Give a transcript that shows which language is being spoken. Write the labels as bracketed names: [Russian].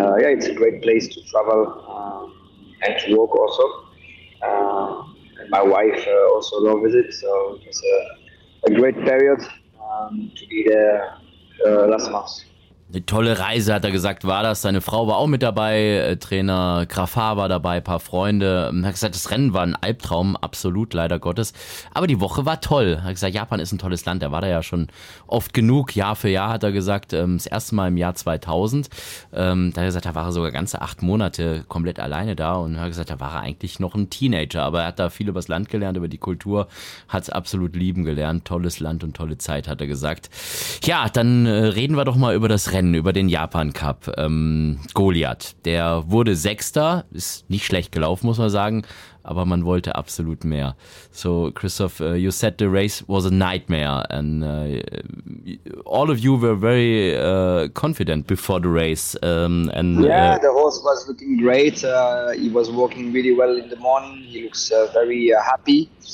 [English] It's a great place to travel and to work also. And my wife also loves it, so it was a great period to be there last month. [German] Eine tolle Reise, hat er gesagt, war das. Seine Frau war auch mit dabei, Trainer Graffard war dabei, ein paar Freunde. Er hat gesagt, das Rennen war ein Albtraum, absolut, leider Gottes. Aber die Woche war toll. Er hat gesagt, Japan ist ein tolles Land, er war da ja schon oft genug, Jahr für Jahr, hat er gesagt, das erste Mal im Jahr 2000. Da hat er gesagt, da war er sogar ganze 8 Monate komplett alleine da. Und er hat gesagt, da war er eigentlich noch ein Teenager. Aber er hat da viel über das Land gelernt, über die Kultur, hat es absolut lieben gelernt. Tolles Land und tolle Zeit, hat er gesagt. Ja, dann reden wir doch mal über das Rennen, über den Japan Cup. Goliath, der wurde Sechster, ist nicht schlecht gelaufen, muss man sagen, aber man wollte absolut mehr. [English] So, Christoph, you said the race was a nightmare and all of you were very confident before the race. The horse was looking great. He was walking really well in the morning. He looks very happy.